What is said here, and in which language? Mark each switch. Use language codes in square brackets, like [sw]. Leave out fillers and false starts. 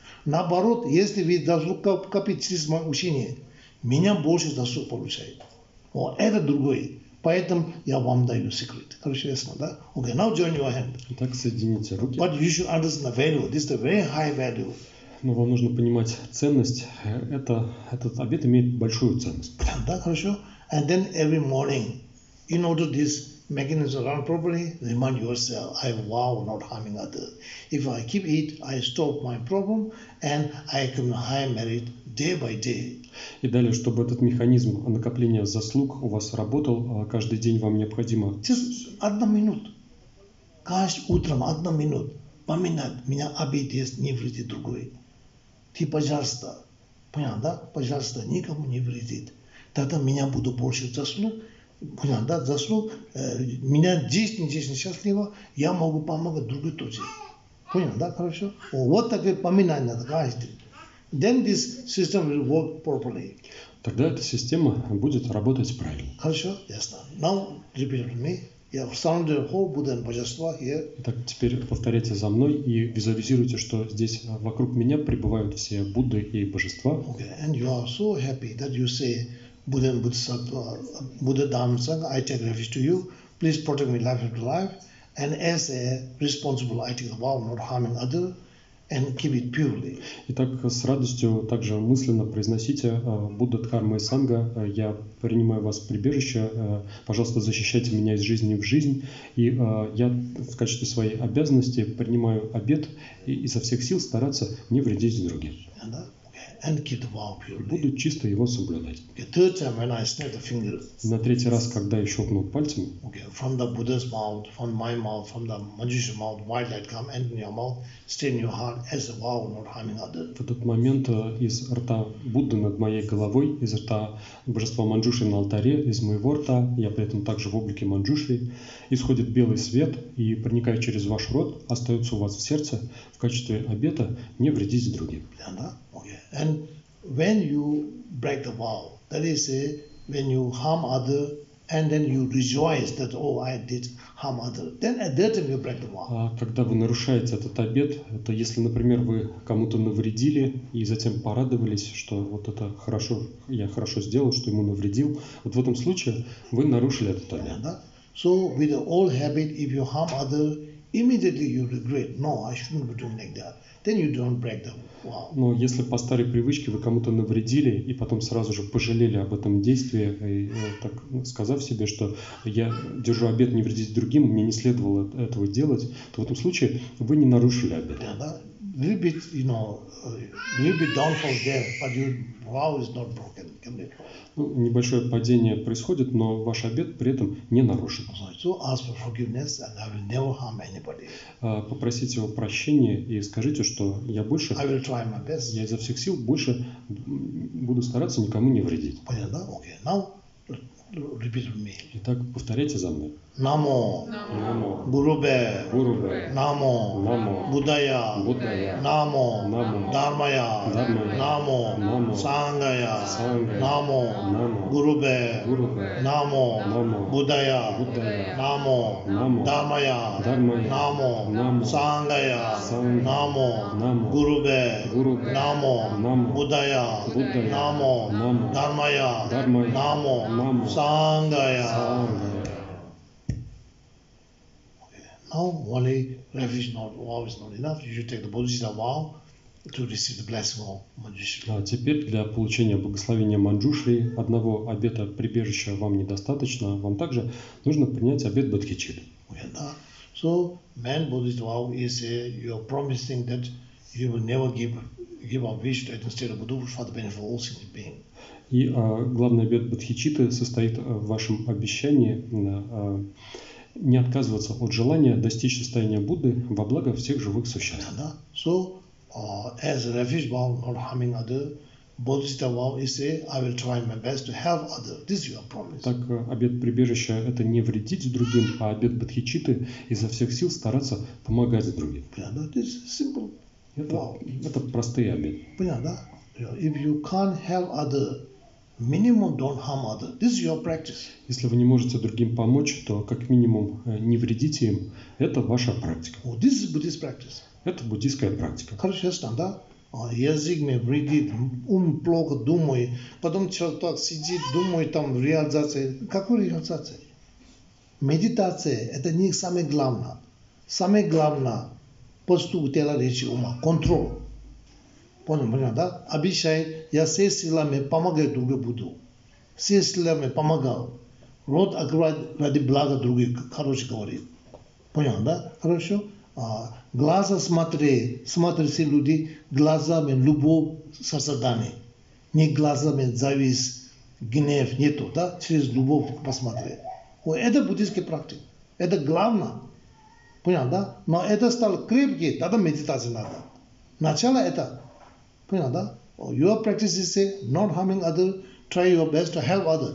[ru] Наоборот, если вы должны копить через мое учение, меня больше заслуг получает. О, это другое. Поэтому я вам даю секрет. Короче, ясно, да? [en] Okay, now join your hand. [ru] Итак, соедините руки. [en] But you should understand the value. This is a very high value. [ru] Но вам нужно понимать ценность. Этот обет имеет большую ценность. Да, хорошо. [en] And then every morning, in order this mechanism to run properly, remind yourself, I vow not harming others. If I keep it, I stop my problem and I accumulate high merit day by day. [ru] И далее, чтобы этот механизм накопления заслуг у вас работал, каждый день вам необходимо... [en] Just [ru] одна минута. Каждое утро одна минута. Поминать меня обидеть, не вредит другой. Ты, пожалуйста, понятно, да? Пожалуйста, никому не вредит. Тогда меня будут больше заслуг. Понял, да, заслуг, меня действительно счастливо, я могу помогать другой тоже. Понял, да, хорошо? О, вот такое поминание надо каждый. [en] Then this system will work properly. [ru] Тогда эта система будет работать правильно. Хорошо, ясно. [en] Now repeat with me. [ru] Я [en] surrender whole Buddha and Bodhisattva here. [ru] Итак, теперь повторяйте за мной и визуализируйте, что здесь вокруг меня пребывают все Будды и Божества. [en] Okay, and you are so happy that you say, Buddha and Buddha Dharma Sangha, I take refuge to you. Please protect me life after life. And as a responsible, I take the vow not harming others and keep it purely. [ru] Итак, с радостью также мысленно произносите Будда Дхарма и Санга. Я принимаю вас в прибежище. Пожалуйста, защищайте меня из жизни в жизнь. И я в качестве своей обязанности принимаю обет и изо всех сил стараться не вредить другим. [en] and kidva purely. [ru] Буду чисто его соблюдать. [en] The third time when I snap the fingers. [ru] На третий раз, когда я щелкнул пальцем. [en] Okay, from the Buddha's mouth, from my mouth, from the magician's mouth, white light come and in your mouth, stay in your heart as a vow, not harming others. [ru] В этот момент из рта Будды над моей головой, из рта божества Манджуши на алтаре, из моего рта, я при этом также в облике Манджуши, исходит белый свет и проникает через ваш рот, остается у вас в сердце в качестве обета не вредить другим. [en] And when you break the vow, that is, when you harm other, and then you rejoice that, oh, I did harm other, then at that time you break the vow. [ru] А когда вы нарушаете этот обет, это если, например, вы кому-то навредили и затем порадовались, что вот это хорошо, я хорошо сделал, что ему навредил, вот в этом случае вы нарушили этот обет. [en] Yeah, so with the old habit, if you harm other, immediately you regret. No, I shouldn't be doing like that. Then you don't break the vow. [ru] Но если по старой привычке вы кому-то навредили и потом сразу же пожалели об этом действии, и, так сказав себе, что я держу обет не вредить другим, мне не следовало этого делать, то в этом случае вы не нарушили обет. [en] Yeah, a little bit downfall there, but your vow is not broken. [ru] Ну, небольшое падение происходит, но ваш обет при этом не нарушен. [en] So ask for forgiveness and I will never harm anybody. [ru] Попросите его прощения и скажите, что я больше, [en] I will try my best. [ru] Я изо всех сил больше буду стараться никому не вредить. Понятно? [en] Okay. Now repeat with me. [ru] Итак, повторяйте за мной. [sa] Намо. Намо. Гурубе. Гурубе. Намо. Намо. Будая. Будая. Намо. Намо. Дармая. Дармая. Намо. Намо. Сангая. Сангая. Намо. Намо. Гурубе. Гурубе. Намо. Намо. Будая. Будая. Намо. Намо. Дармая. Дармая. Намо. Намо. Сангая. Сангая. Намо. Намо. Гурубе. Гурубе. Намо. Намо. Будая. Будая. Намо. Намо. Дармая. Дармая. Намо. Намо. Сангая. Сангая. [en] Now only refuge not vow is not enough. You should take the Bodhisattva vow to receive the blessing of Manjushri. [ru] А теперь для получения благословения Манджушри одного обета прибежища вам недостаточно. Вам также нужно принять обет Бодхичитты. [en] Yeah, no. So man Bodhisattva vow is you are promising that you will never give up wish to attain state of Buddha for the benefit of all sentient beings. [ru] И главный обет Бодхичитты состоит в вашем обещании. Не отказываться от желания достичь состояния Будды во благо всех живых существ. [en] Yeah, yeah. So, as a refuge vow, not harming other, Bodhisattva vow is say, I will try my best to help other. This is your promise. [ru] Так, обет прибежища – это не вредить другим, а обет Бодхичитты – изо всех сил стараться помогать другим. Понятно? [en] Yeah, this is simple. [ru] Это простые обеты. Понятно? [en] Yeah, if you can't help other, minimum don't harm other. This is your practice. [ru] Если вы не можете другим помочь, то как минимум не вредите им. Это ваша практика. [en] Oh, this is Buddhist practice. [ru] Это буддийская практика. Короче, ясно, да? Язык мне вредит, ум плохо думает, потом человек сидит, думает там реализация. Какой реализация? Медитация – это не самое главное. Самое главное – поступ тела, речи, ума, контроль. Понял, да? Обещай, я все силами помогаю другу буду. Все силами помогал. Рот открывать ради блага других, короче говоря. Понял, да? Хорошо? Глаза смотри все люди глазами любовь сострадания. Не глазами зависть, гнев, нету, да? Через любовь посмотри. Ой, это буддийская практика. Это главное. Понял, да? Но это стало крепкое, тогда медитация надо. Начало это... Понял, да? [en] Your practice is say, not harming other, try your best to help other.